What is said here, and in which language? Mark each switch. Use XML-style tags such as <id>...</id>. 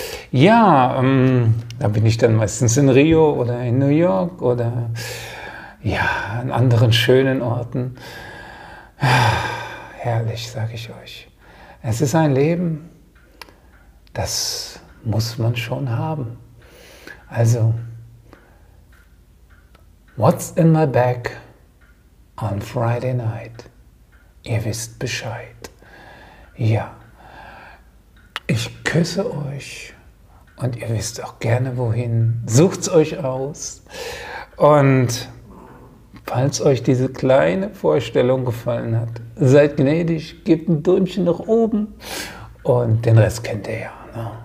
<de>Ja, da bin ich dann meistens in Rio oder in New York oder ja, an anderen schönen Orten. Herrlich, sage ich euch. Es ist ein Leben, das muss man schon haben.</de> <en>Also, what's in my bag on Friday night?</en> <de>Ihr wisst Bescheid. Ja, ich küsse euch und ihr wisst auch gerne wohin. Sucht's euch aus. Und falls euch diese kleine Vorstellung gefallen hat, seid gnädig, gebt ein Däumchen nach oben und den Rest kennt ihr ja. Ne?</de>